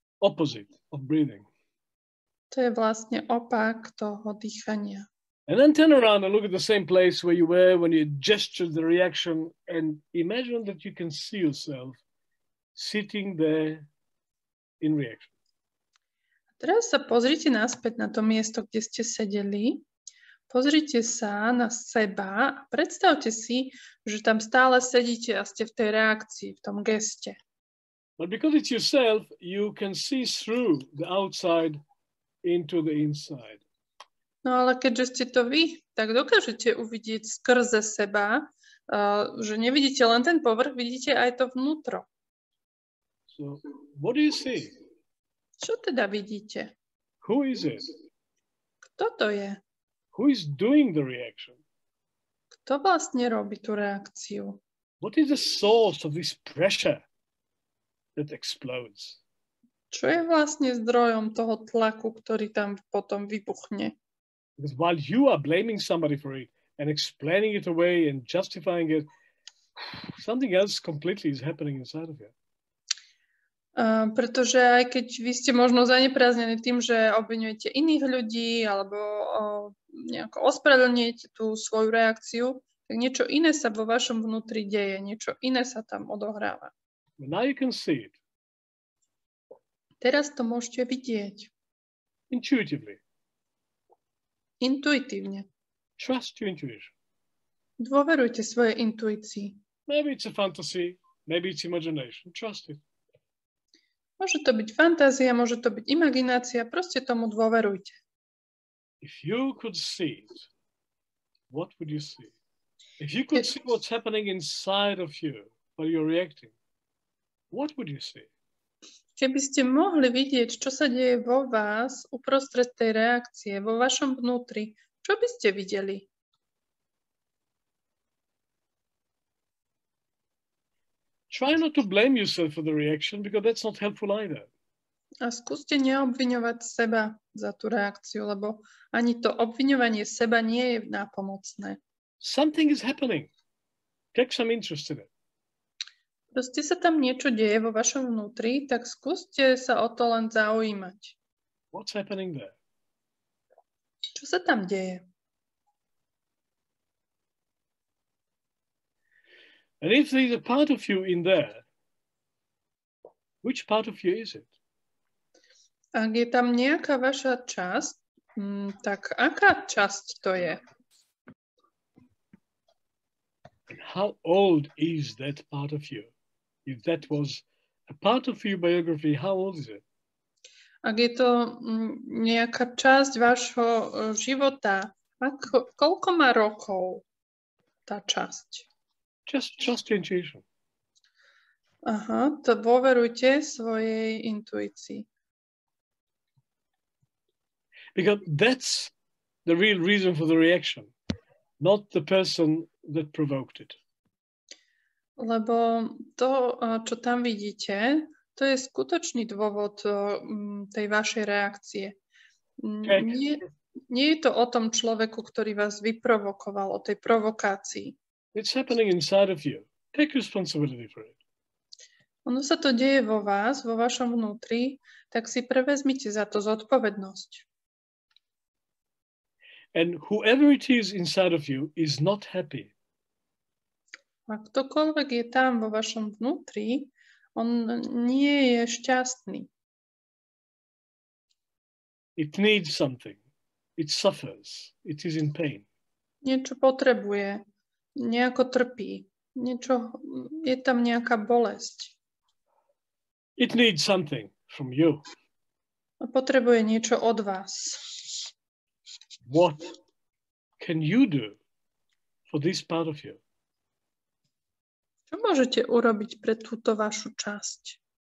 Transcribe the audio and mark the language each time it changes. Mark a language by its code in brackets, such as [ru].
[en] Opposite of breathing. [sk] To je vlastne opak toho dýchania. [en] And then turn around and look at the same place where you were when you gestured the reaction and imagine that you can see yourself sitting there in reaction. [sk] A teraz sa pozrite naspäť na to miesto, kde ste sedeli. Pozrite sa na seba a predstavte si, že tam stále sedíte a ste v tej reakcii, v tom geste. [en] But because it's yourself, you can see through the outside into the inside. [sk] No ale keďže ste to vy, tak dokážete uvidieť skrze seba, že nevidíte len ten povrch, vidíte aj to vnútro. [en] So, what do you see? [sk] Čo teda vidíte? [en] Who is it? [sk] Kto to je? [en] Who is doing the reaction? [sk] Kto vlastne robí tú reakciu? [en] What is the source of this pressure that explodes? [sk] Čo je vlastne zdrojom toho tlaku, ktorý tam potom vybuchne? [en] Because while you are blaming somebody for it and explaining it away and justifying it, something else completely is happening inside of you. [sk] Pretože aj keď vy ste možno zanepráznení tým, že obviňujete iných ľudí alebo nejako ospravedlňujete tú svoju reakciu, tak niečo iné sa vo vašom vnútri deje, niečo iné sa tam odohráva. [en] But now you can see it. [sk] Teraz to môžete vidieť. [en] Intuitively. [sk] Intuitívne. [en] Trust your intuition. [sk] Dôverujte svojej intuícii. [en] Maybe it's a fantasy, maybe it's imagination. Trust it. [sk] Môže to byť fantázia, môže to byť imaginácia, proste tomu dôverujte. [en] If you could see it, what would you see? If you could see what's happening inside of you while you're reacting, what would you see? [sk] Keby ste mohli vidieť, čo sa deje vo vás uprostred tej reakcie, vo vašom vnútri, čo by ste videli? [en] Try not to blame yourself for the reaction, because that's not helpful either. [sk] A skúste neobviňovať seba za tú reakciu, lebo ani to obviňovanie seba nie je nápomocné. [en] Something is happening. Take some interest in it. [sk] Proste sa tam niečo deje vo vašom vnútri, tak skúste sa o to len zaujímať. [en] What's happening there? [sk] Čo sa tam deje? [en] And if there's a part of you in there, which part of you is it? [sk] Ak je tam nejaká vaša časť, tak aká časť to je? [en] And how old is that part of you? If that was a part of your biography, how old is it? [sk] Ak je to nejaká časť vášho života, koľko má rokov tá časť? [en] Just intuition. [sk] Aha, to dôverujte svojej intuícii. [en] Because that's the real reason for the reaction, not the person that provoked it. [sk] Lebo to, čo tam vidíte, to je skutočný dôvod tej vašej reakcie. Nie je to o tom človeku, ktorý vás vyprovokoval, o tej provokácii. [en] It's happening inside of you. Take responsibility for it. [sk] Ono sa to deje vo vás, vo vašom vnútri, tak si prevezmite za to zodpovednosť. [en] And whoever it is inside of you is not happy. [sk] A ktokoľvek je tam vo vašom vnútri, on nie je šťastný. [en] It needs something. It suffers. It is in pain. [sk] Niečo potrebuje. Nejako trpí. Niečo, je tam nejaká bolesť. [en] It needs something from you. [sk] A potrebuje niečo od vás. [en] What can you do for this part of you? [sk] Čo môžete urobiť pre túto vašu časť?